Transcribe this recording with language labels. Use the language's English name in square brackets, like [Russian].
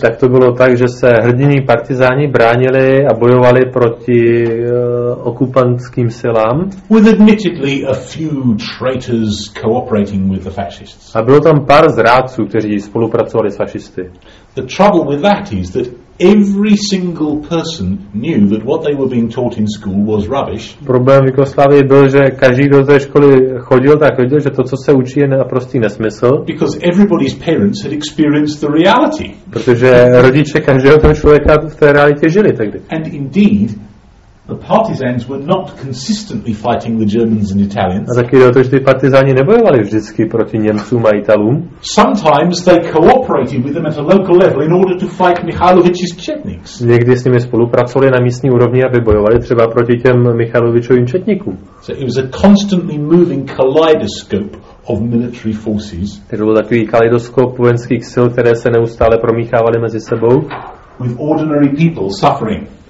[Czech] Tak to bylo tak, že se hrdiní partizáni bránili a bojovali proti okupantským silám. [English] With admittedly a few traitors cooperating with the fascists. [Czech] A bylo tam pár zrádců, kteří spolupracovali s fašisty. [English] The trouble with that is that every single person knew that what they were being taught in school was rubbish. [Czech] Problém v Jugoslávii byl, že každý, kdo ze školy chodil, tak věděl, že to, co se učí, je naprostý nesmysl. [English] Because everybody's parents had experienced the reality. [Czech] Protože rodiče každého toho člověka v té realitě žili tehdy. [English] And indeed, The partisans were not consistently fighting the Germans and Italians. [Czech] A taky to, že ty partizáni nebojovali vždycky proti Němcům a Italům. [English] Sometimes they cooperated with them at a local level in order to fight Michalovich's Četniks. [Czech] Někdy s nimi spolupracovali na místní úrovni, aby bojovali třeba proti těm Michalovičovým Četníkům. [English] So it was a constantly moving kaleidoscope of military forces. [Czech] To byl takový kaleidoskop vojenských sil, které se neustále promíchávaly mezi sebou. [English] With ordinary people suffering.